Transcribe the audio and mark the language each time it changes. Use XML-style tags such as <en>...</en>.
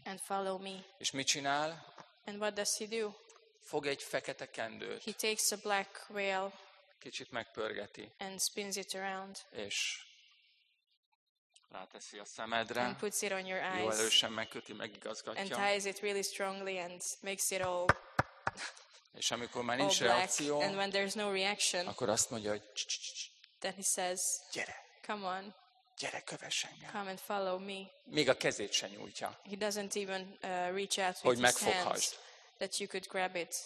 <en>And follow me.</en> <hu>És mit csinál?</hu> <en>And what does he do?</en> <hu>Fog egy fekete kendőt.</hu> <en>He takes a black veil.</en> <hu>Kicsit megpörgeti.</hu> <en>And spins it around.</en> <hu>És ráteszi a szemedre.</hu> <en>And puts it on your eyes.</en> <hu>Jó erősen megköti, megigazgatja.</hu> <en>And ties it really strongly and makes it all.</en> <hu>És amikor már nincs reakció,</hu> <en>and when there's no reaction,</en> <hu>akkor azt mondja, hogy</hu> <en>then he says,</en> <hu>gyere.</hu> <en>Come on.</en> <hu>Gyere, kövess engem.</hu> <en>Come and follow me.</en> <hu>Még a kezét sem nyújtja.</hu> <en>He doesn't even reach out with</en> <hu>hogy</hu> <en>his</en> <hu>megfoghasd.</hu> <en>Hands, that you could grab it.</en>